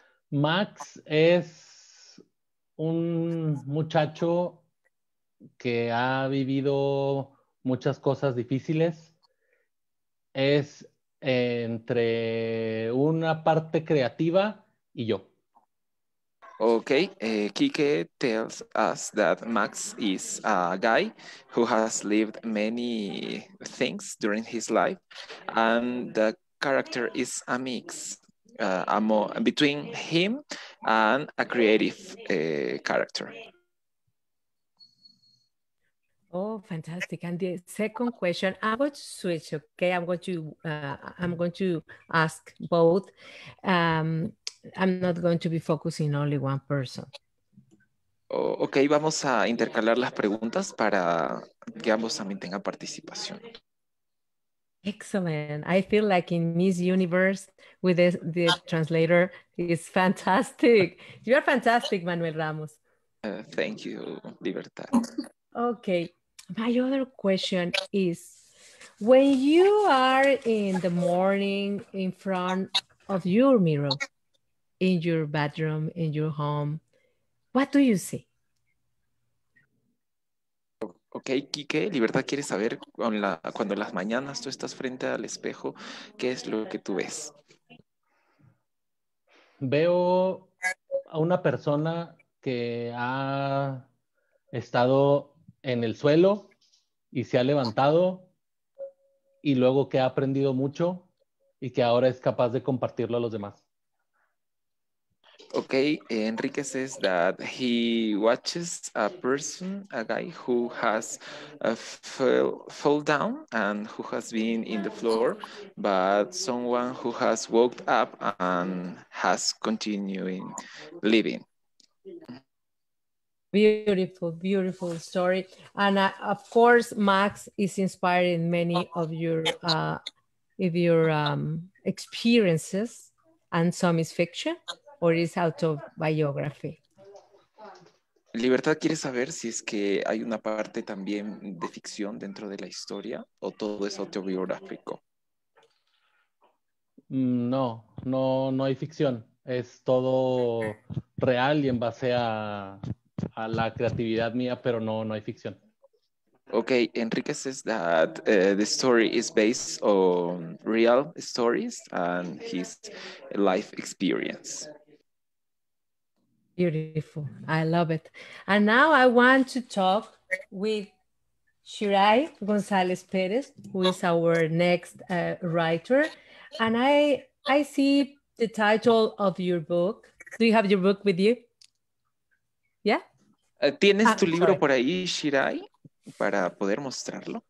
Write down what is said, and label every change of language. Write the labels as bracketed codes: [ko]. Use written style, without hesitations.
[es] Max es un muchacho que ha vivido muchas cosas difíciles, es entre una parte creativa y yo. [en] Okay, Quique tells us that Max is a guy who has lived many things during his life, and the character is a mix between him and a creative character. Oh, fantastic. And the second question, I'm going to switch, okay? I'm going to ask both. I'm not going to be focusing only one person. [es] Oh, ok, vamos a intercalar las preguntas para que ambos también tengan participación. [en] Excellent. I feel like in Miss Universe with the translator is fantastic. You are fantastic, Manuel Ramos. Thank you, Libertad. Ok, my other question is, when you are in the morning in front of your mirror, in your bedroom, in your home, what do you see? [es] Ok, Quique, Libertad quiere saber cuando las mañanas tú estás frente al espejo, ¿qué es lo que tú ves? Veo a una persona que ha estado en el suelo y se ha levantado y luego que ha aprendido mucho y que ahora es capaz de compartirlo a los demás. [en] Okay, Enrique says that he watches a person, a guy who has fell down and who has been in the floor, but someone who has woke up and has continuing living. Beautiful, beautiful story. And of course, Max is inspired in many of your experiences, and some is fiction. [es] ¿O es autobiografía? Libertad quiere saber si es que hay una parte también de ficción dentro de la historia o todo es autobiográfico. No hay ficción. Es todo real y en base a la creatividad mía, pero no hay ficción. [en] Okay, Enrique says that the story is based on real stories and his life experience. Beautiful. I love it. And now I want to talk with Shirai Gonzalez Perez, who is our next writer. And I see the title of your book. Do you have your book with you? Yeah? [es] ¿Tienes tu libro por ahí, Shirai, para poder mostrarlo?